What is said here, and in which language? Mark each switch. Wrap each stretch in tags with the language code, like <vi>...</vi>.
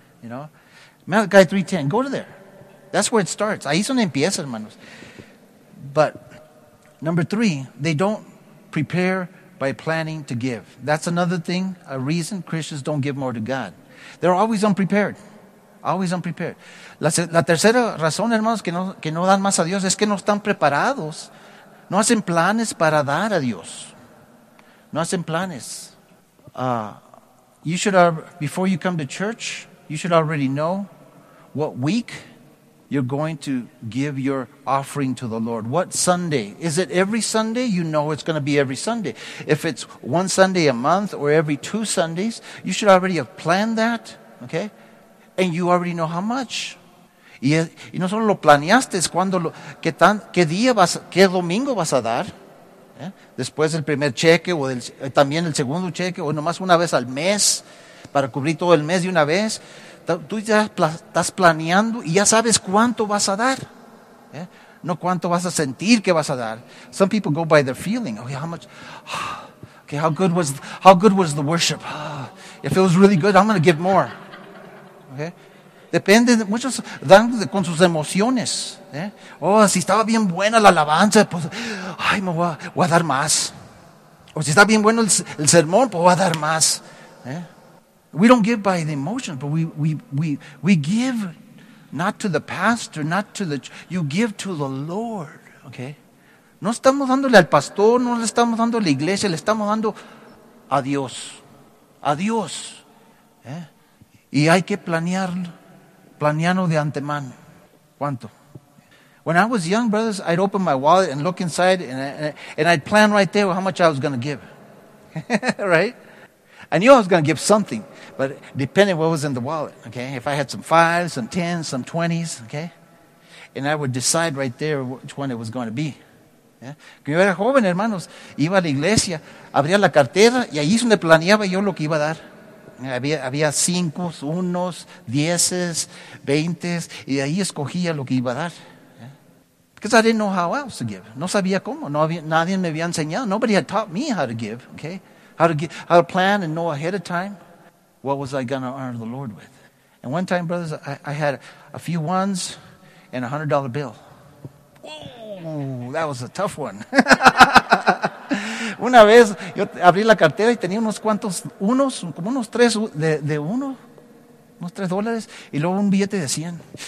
<en>You know? Malachi 3:10, go to there. That's where it starts.</en> <es>Ahí son empieza, hermanos.</es> <en>But number three, they don't prepare by planning to give. That's another thing, a reason Christians don't give more to God. They're always unprepared. Always unprepared.</en> <es>La tercera razón, hermanos, que no dan más a Dios es que no están preparados. No hacen planes para dar a Dios. No hacen planes.</es> <en>Before you come to church, you should already know what week you're going to give your offering to the Lord. What Sunday? Is it every Sunday? You know it's going to be every Sunday. If it's one Sunday a month or every two Sundays, you should already have planned that, okay? And you already know how much.</en> <es>Y no solo lo planeaste, es cuando lo, qué tan, qué día vas, qué domingo vas a dar. ¿Eh? Después el primer cheque, o el, también el segundo cheque, o nomás una vez al mes, para cubrir todo el mes de una vez. Tú ya estás planeando y ya sabes cuánto vas a dar. ¿Eh? No cuánto vas a sentir que vas a dar.</es> <en>Some people go by their feeling. Okay, how much? Okay, how good was the worship? If it was really good, I'm going to give more.</en> <es>Okay? Depende, muchos dan con sus emociones. ¿Eh? Oh, si estaba bien buena la alabanza, pues, ay, me voy a dar más. O si está bien bueno el sermón, pues voy a dar más. ¿Eh?</es> <en>We don't give by the emotion, but we give not to the pastor, not to the you give to the Lord, okay?</en> <es>No estamos dándole al pastor, no le estamos dando a la iglesia, le estamos dando a Dios. A Dios. ¿Eh? Y hay que planearlo de antemano. ¿Cuánto?</es> <en>When I was young, brothers, I'd open my wallet and look inside and I'd plan right there how much I was going to give. Right? I knew I was going to give something, but depending what was in the wallet, okay? If I had some fives, some tens, some twenties, okay? And I would decide right there which one it was going to be.</en> <es>Cuando yo era joven, hermanos, iba a la iglesia, abría la cartera, y ahí es donde planeaba yo lo que iba a dar. Había cinco, unos, dieces, veintes, y ahí escogía lo que iba a dar.</es> <en>Because I didn't know how else to give.</en> <es>No sabía cómo. No había, nadie me había enseñado.</es> <en>Nobody had taught me how to give, okay? How to plan and know ahead of time what was I going to honor the Lord with. And one time, brothers, I had a few ones and $100 bill. Whoa, that was a tough one.</en> <es>Una vez, yo abrí la cartera y tenía unos cuantos unos, como unos tres de uno, unos $3, y luego un billete de 100.</es>